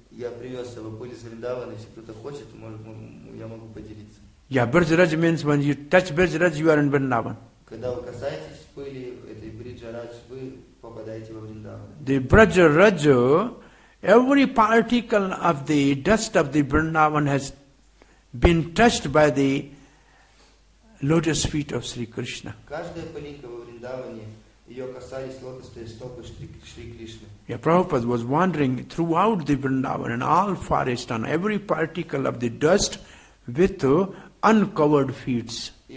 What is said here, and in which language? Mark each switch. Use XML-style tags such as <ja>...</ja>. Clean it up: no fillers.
<ru>Я привез его пыль из Вриндавана. Если кто-то хочет, я могу поделиться.</ru> <en>Yeah, Brijraj means when you touch Brijraj, you are in Vrindavan.</en> <ru>Когда вы касаетесь пыли этой Brijraj, вы попадаете во Вриндаван.</ru> <en>The Brijraj, every particle of the dust of the Vrindavan has been touched by the lotus feet of Sri Krishna.</en> <ru>Каждая пылинка во Вриндаване, ее касались лотосные стопы Шри Кришны.</ru> <en>Yeah, Prabhupada was wandering throughout the Vrindavan and all forest and every particle of the dust with uncovered feet.</en>